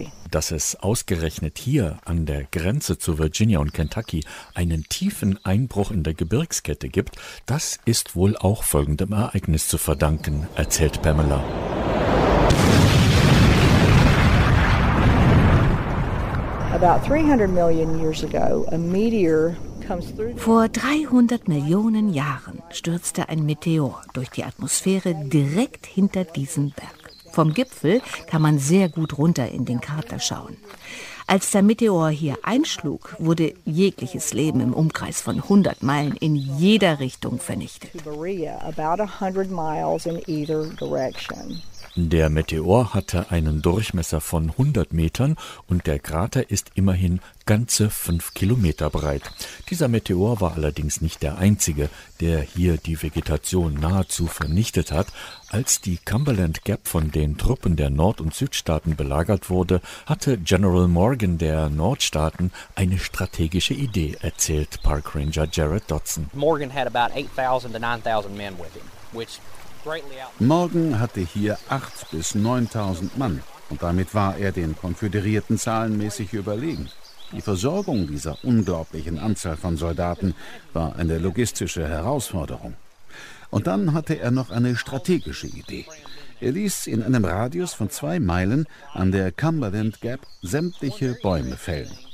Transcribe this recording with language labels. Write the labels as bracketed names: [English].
[German] Dass es ausgerechnet hier an der Grenze zu Virginia und Kentucky einen tiefen Einbruch in der Gebirgskette gibt, das ist wohl auch folgendem Ereignis zu verdanken, erzählt Pamela. [English] About 300 million years ago, a meteor comes through. [German] Vor 300 Millionen Jahren stürzte ein Meteor durch die Atmosphäre direkt hinter diesem Berg. Vom Gipfel kann man sehr gut runter in den Krater schauen. Als der Meteor hier einschlug, wurde jegliches Leben im Umkreis von 100 Meilen in jeder Richtung vernichtet. [English] About 100 miles in either direction. [German] Der Meteor hatte einen Durchmesser von 100 Metern und der Krater ist immerhin ganze 5 Kilometer breit. Dieser Meteor war allerdings nicht der einzige, der hier die Vegetation nahezu vernichtet hat. Als die Cumberland Gap von den Truppen der Nord- und Südstaaten belagert wurde, hatte General Morgan der Nordstaaten eine strategische Idee, erzählt Park Ranger Jared Dodson. [English] Morgan had about 8,000 to 9,000 men with him, which [German] Morgan hatte hier 8.000 bis 9.000 Mann und damit war er den Konföderierten zahlenmäßig überlegen. Die Versorgung dieser unglaublichen Anzahl von Soldaten war eine logistische Herausforderung. Und dann hatte er noch eine strategische Idee. Er ließ in einem Radius von 2 Meilen an der Cumberland Gap sämtliche Bäume fällen.